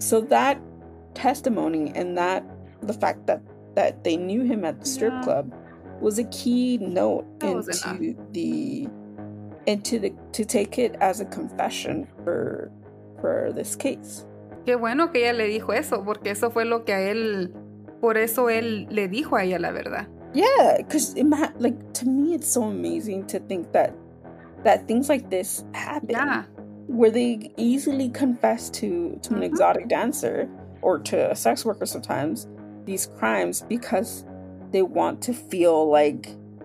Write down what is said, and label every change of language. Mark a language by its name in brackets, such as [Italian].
[English] So that testimony and that, the fact that they knew him at the strip club was a key note to take it as a confession for this case. [Spanish] Qué bueno que ella le dijo eso, porque eso fue lo que a él, por eso él le dijo a ella la verdad. [English] Yeah, because to me it's so amazing to think that things like this happen, where they easily confess to an exotic dancer or to a sex worker sometimes these crimes because they want to feel like.